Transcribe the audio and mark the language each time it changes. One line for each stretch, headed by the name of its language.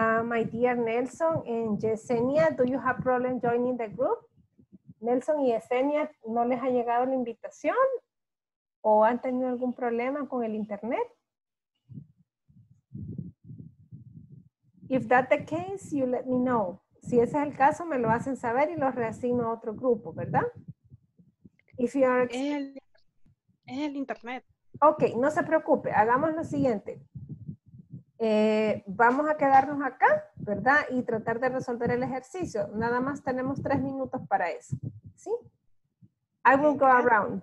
English: My dear Nelson and Yesenia, do you have problem joining the group?
Spanish: Nelson y Yesenia, ¿no les ha llegado la invitación? ¿O han tenido algún problema con el internet?
English: If that's the case, you let me know.
Spanish: Si ese es el caso, me lo hacen saber y lo reasigno a otro grupo, ¿verdad?
English: If you are...
Spanish: es el internet. Ok, no se preocupe, hagamos lo siguiente. Vamos a quedarnos acá, ¿verdad? Y tratar de resolver el ejercicio. Nada más tenemos 3 minutos para eso, ¿sí?
English: I will go around.